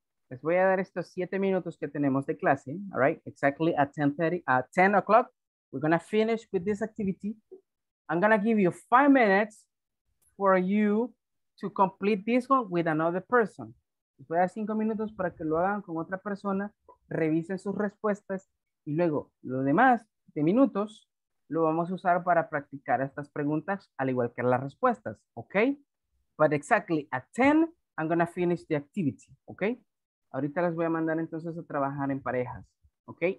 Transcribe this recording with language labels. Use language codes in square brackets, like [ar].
[es] Les voy a dar estos 7 minutos que tenemos de clase. [en] All right. Exactly at 10:30, at 10 o'clock. We're going to finish with this activity. I'm going to give you 5 minutes for you to complete this one with another person. [es] Les voy a dar 5 minutos para que lo hagan con otra persona. Revisen sus respuestas. Y luego, los demás de minutos lo vamos a usar para practicar estas preguntas, al igual que las respuestas, okay? [en] But exactly at 10, I'm gonna finish the activity, okay? [es] Ahorita las voy a mandar entonces a trabajar en parejas, okay?